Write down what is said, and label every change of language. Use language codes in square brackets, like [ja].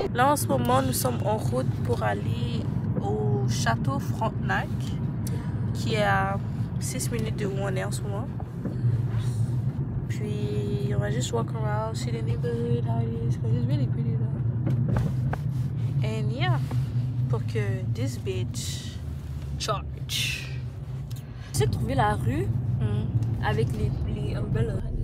[fr] Là en ce moment, nous sommes en route pour aller au château Frontenac qui est à 6 minutes de où on est en ce moment. Puis on va juste [en] walk around, see the neighborhood, how it is, cause it's really pretty though. And yeah, [fr] pour que [en] this bitch charge. [fr] Tu sais trouver la rue avec les umbrellas.